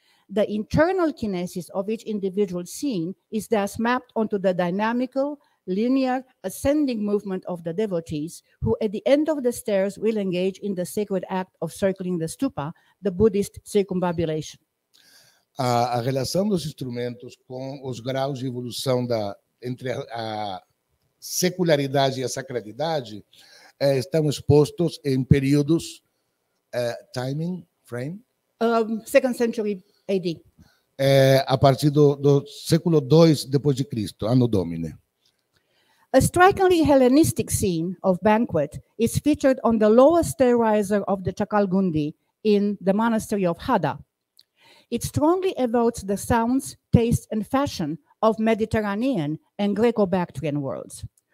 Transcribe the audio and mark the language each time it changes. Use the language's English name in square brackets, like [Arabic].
[English] The internal kinesis of each individual scene is thus mapped onto the dynamical, linear, ascending movement of the devotees, who at the end of the stairs will engage in the sacred act of circling the stupa, the Buddhist circumambulation. [Portuguese] a relação dos instrumentos com os graus de evolução da, entre a secularidade e a sacralidade, estão expostos em períodos [English] timing, frame? Second century AD. [Portuguese] A partir do século II depois de Cristo, Anno Domini. [English] A strikingly Hellenistic scene of banquet is featured on the lower stairriser of the Chakalgundi in the monastery of Hada. It strongly evokes the sounds, tastes, and fashion of Mediterranean and Greco-Bactrian worlds.